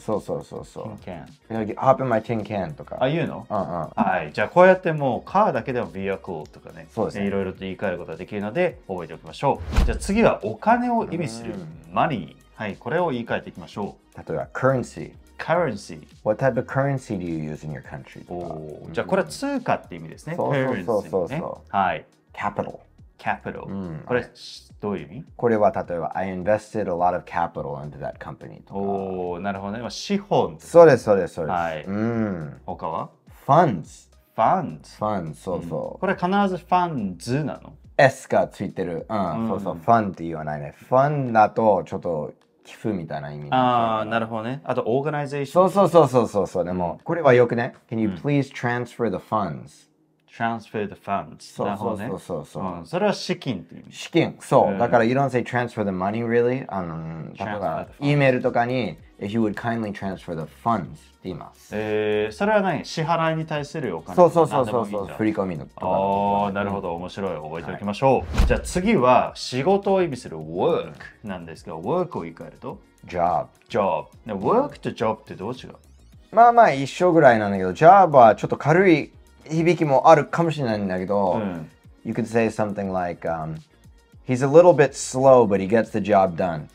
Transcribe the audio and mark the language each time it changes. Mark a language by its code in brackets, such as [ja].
[ja] そう。 [en] Tin can。 Hop in my tin can とか。 [ja] ああ、言うの？うんうん。はい。じゃあこうやってもうカーだけでも vehicle とかね。そうですね。いろいろと言い換えることができるので覚えておきましょう。じゃあ次はお金を意味する money。はい、これを言い換えていきましょう。例えば、currency。 [en] currency。 What type of currency do you use in your country? [ja] おお、じゃあこれは通貨って意味ですね。そう、currency、ね。はい。 [en] capital。 capital。 [ja] うん、これ、はい、どういう意味？これは例えば、 [en] I invested a lot of capital into that company とか。 [ja] おお、なるほどね。資本。そうです。はい。うん。他は？ [en] funds。 funds。 [ja] funds、そうそう。うん、これ必ず funds なの？ S がついてる。うん、そうそう、ファンって言わないね。ファンだと、ちょっと、寄付みたいな意味。ああ、なるほどね。あと、オーガナイゼーション。そう。でも、これはよくね。 [en] Can you please transfer the funds? Transfer the funds. [ja] そう、なるほどね。それは資金っていう意味。資金。そう。 [en] だから、you don't say transfer the money, really. だから、 [ja] E メールとかに、 [en] If you would kindly transfer the funds [ja] って言います。それは何？支払いに対するお金。そう。振り込みのとか。ああ、なるほど。面白い。覚えておきましょう。はい、じゃあ次は仕事を意味する work なんですけど、work を言い換えると [en] job。 [ja] job。 で、work と job ってどう違う？まあまあ一緒ぐらいなんだけど、job はちょっと軽い響きもあるかもしれないんだけど、うん、 [en] you could say something like、He's a little bit slow, but he gets the job done.